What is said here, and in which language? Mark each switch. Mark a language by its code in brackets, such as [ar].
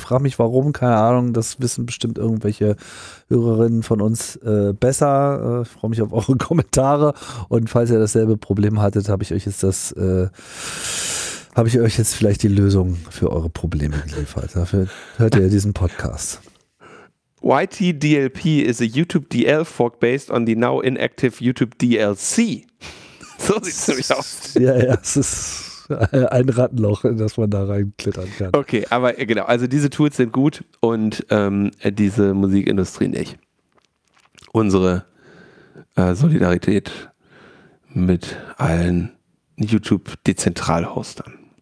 [de] Frag mich warum, keine Ahnung, das wissen bestimmt irgendwelche Hörerinnen von uns besser. Ich freue mich auf eure Kommentare und falls ihr dasselbe Problem hattet, habe ich euch jetzt vielleicht die Lösung für eure Probleme geliefert. Dafür hört ihr diesen Podcast. [en] YT-DLP is a YouTube-DL fork based on the now inactive YouTube-DLC. [de] So sieht es nämlich aus. Ja, es ist ein Rattenloch, in das man da reinklettern kann. Okay, aber genau, also diese Tools sind gut und diese Musikindustrie nicht. Unsere Solidarität mit allen YouTube-Dezentral-Hostern.